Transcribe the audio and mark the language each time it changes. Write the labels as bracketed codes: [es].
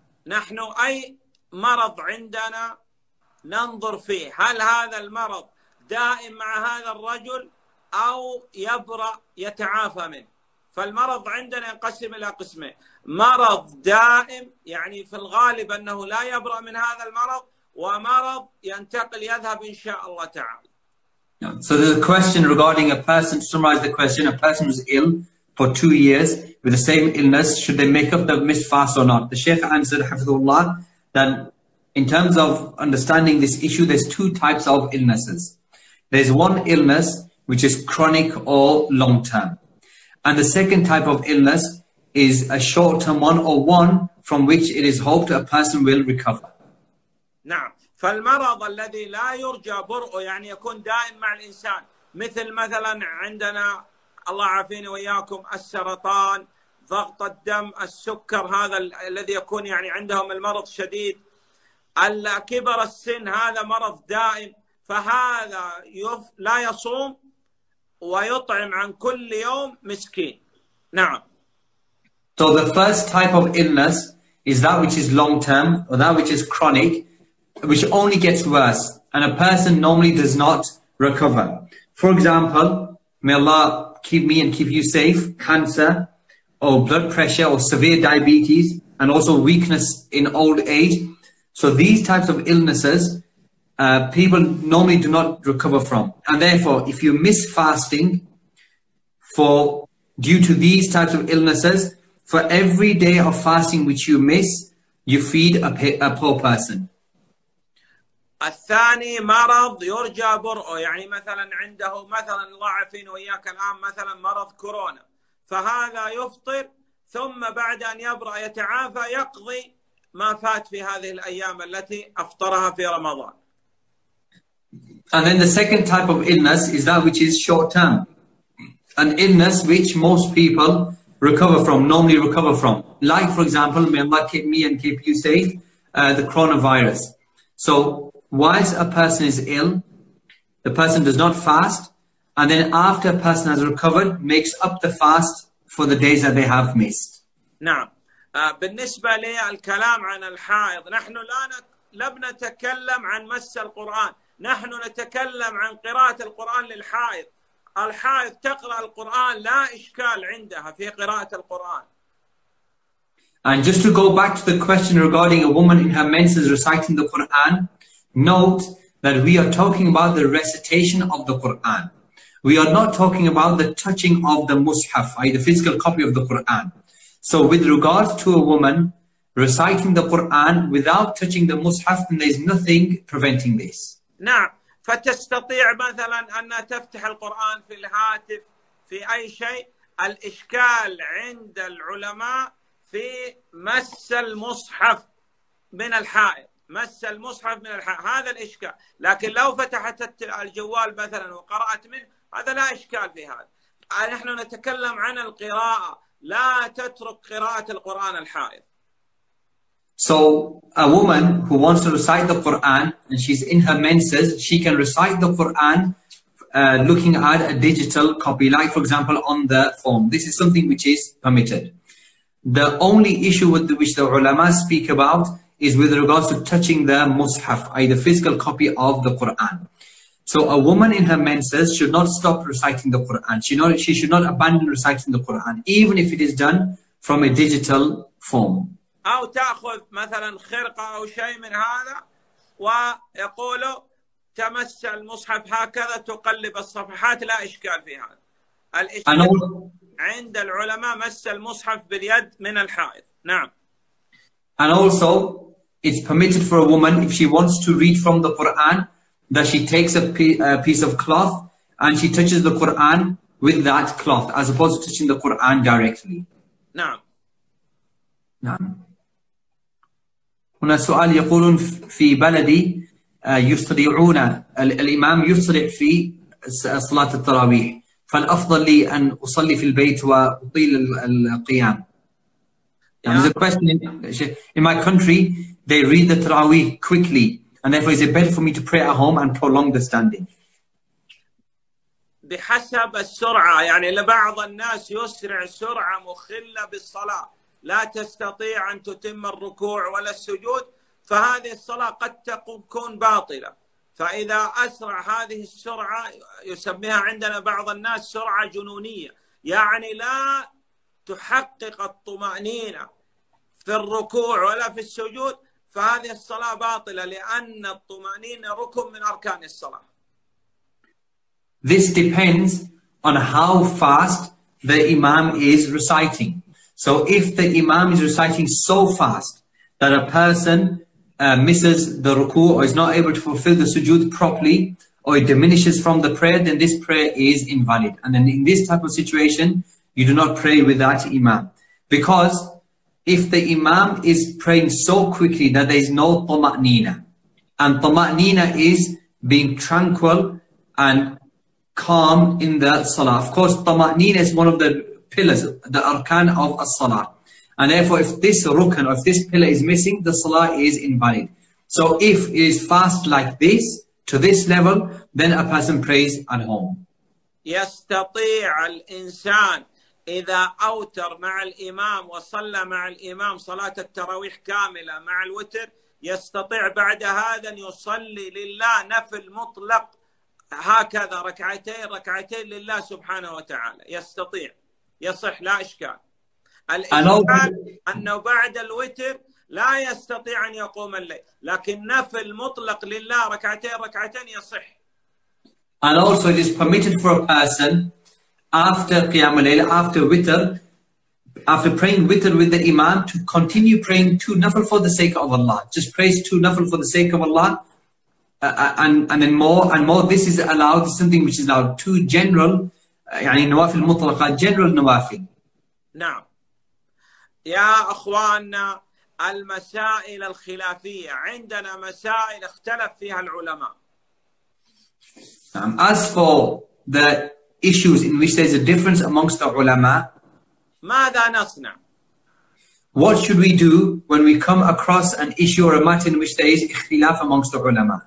[ar] نحن أي مرض عندنا ننظر فيه هل هذا المرض دائم مع هذا الرجل أو يبرأ يتعافى منه فالمرض عندنا ينقسم إلى قسمين مرض دائم يعني في الغالب أنه لا يبرأ من هذا المرض ومرض ينتقل يذهب إن شاء الله تعالى. [en] So there's a question regarding a person, to summarize the question, a person who's ill for 2 years with the same illness, should they make up the missed fast or not? The Shaykh answered, Hafizullah, that in terms of understanding this issue, there's two types of illnesses. There's one illness which is chronic or long-term. And the second type of illness is a short-term one or one from which it is hoped a person will recover. [ar] نعم فالمرض الذي لا يرجى برؤه يعني يكون دائم مع الإنسان مثل مثلا عندنا الله عافيني وإياكم السرطان ضغط الدم السكر هذا الذي يكون يعني عندهم المرض شديد الكبر السن هذا مرض دائم فهذا لا يصوم ويطعم عن كل يوم مسكين نعم. [en] So the first type of illness is that which is long term or that which is chronic, which only gets worse and a person normally does not recover. For example, may Allah keep me and keep you safe, cancer or blood pressure or severe diabetes and also weakness in old age. So these types of illnesses, people normally do not recover from. And therefore, if you miss fasting due to these types of illnesses, for every day of fasting which you miss, you feed a poor person. [ar] الثاني مرض يرجى برؤه يعني مثلا عنده مثلا الله عافينا وإياك الآن مثلا مرض كورونا فهذا يفطر ثم بعد أن يبرأ يتعافى يقضي ما فات في هذه الأيام التي أفطرها في رمضان. [en] And then the second type of illness is that which is short term, an illness which most people recover from, normally recover from. Like for example, may Allah keep me and keep you safe, the coronavirus. So whilst a person is ill, the person does not fast, and then after a person has recovered, makes up the fast for the days that they have missed. [ar] نعم. بالنسبة للكلام عن الحائض، نحن لم نتكلم عن مس القرآن، نحن نتكلم عن قراءة القرآن للحائض. الحائض تقرأ القرآن لا إشكال عندها في قراءة القرآن. [en] And just to go back to the question regarding a woman in her menses reciting the Quran. Note that we are talking about the recitation of the Quran. We are not talking about the touching of the Mus'haf, i.e. the physical copy of the Quran. So with regards to a woman reciting the Quran without touching the Mus'haf, then there's nothing preventing this. [ar] نعم فتستطيع مثلا أن تفتح القرآن في الهاتف في أي شيء الإشكال عند العلماء في مس المصحف من الحائط مس المصحف من الحائط هذا الإشكال لكن لو فتحت الجوال مثلا وقرأت منه هذا لا إشكال في هذا نحن نتكلم عن القراءة لا تترك قراءة القرآن الحائط. [en] So a woman who wants to recite the Quran and she's in her menses, she can recite the Quran looking at a digital copy, like for example on the phone. This is something which is permitted. The only issue with which the ulama speak about is with regards to touching the mushaf, i.e. the physical copy of the Quran. So a woman in her menses should not stop reciting the Quran. She should not abandon reciting the Quran, even if it is done from a digital form. [ar] أو تأخذ مثلا خرقة أو شيء من هذا ويقول تمس المصحف هكذا تقلب الصفحات لا إشكال في هذا. الإشكال عند العلماء مس المصحف باليد من الحائض. نعم. [en] And also, it's permitted for a woman if she wants to read from the Quran that she takes a piece of cloth and she touches the Quran with that cloth as opposed to touching the Quran directly. [ar] نعم. نعم. هنا سؤال يقولون في بلدي يصرعون الإمام يصرع في صلاة التراويح فالأفضل لي أن أصلي في البيت وأطيل القيام. [en] Yeah. There's a question in my country, they read the Taraweeh quickly, and therefore, is it better for me to pray at home and prolong the standing? بحسب السرعة يعني لبعض الناس يسرع سرعة مخلة بالصلاة لا تستطيع أن تتم الركوع ولا السجود فهذه الصلاة قد تكون باطلة فإذا أسرع هذه السرعة يسميها عندنا بعض الناس سرعة جنونية يعني لا تحقق الطمأنينة في الركوع ولا في السجود فهذه الصلاة باطلة لأن الطمأنينة ركن من أركان الصلاة. This depends on how fast the imam is reciting. So if the imam is reciting so fast that a person misses the ruku or is not able to fulfill the sujood properly or it diminishes from the prayer, then this prayer is invalid. And then in this type of situation, you do not pray with that imam. Because if the imam is praying so quickly that there is no tama'nina, and tama'nina is being tranquil and calm in the salah. Of course, tama'nina is one of the pillars, the arkan of a salah. And therefore, if this rukan or if this pillar is missing, the salah is invalid. So if it is fast like this, to this level, then a person prays at home. [ar] يستطيع الإنسان إذا أوتر مع الإمام وصلى مع الإمام صلاة التراويح كاملة مع الوتر يستطيع بعد هذا أن يصلي لله نفل مطلق هكذا ركعتين ركعتين لله سبحانه وتعالى يستطيع يصح لا إشكال الإشكال أنه بعد الوتر لا يستطيع أن يقوم الليل لكن نفل مطلق لله ركعتين ركعتين يصح. [en] And also it is permitted for a person after Qiyam al-Layl, after Witr, after praying Witr with the Imam, to continue praying two Nafl for the sake of Allah. Just praise two Nafl for the sake of Allah. And then more and more, this is allowed, this is something which is allowed, two general, [ar] يعني نوافل مطلقة, [en] general نوافل. [ar] نعم. يا أخواننا, المسائل الخلافية, عندنا مسائل اختلف فيها العلماء. [en] As for the issues in which there's a difference amongst the ulama, [ar] ماذا نصنع? [en] What should we do when we come across an issue or a matter in which there is ikhtilaf amongst the ulama?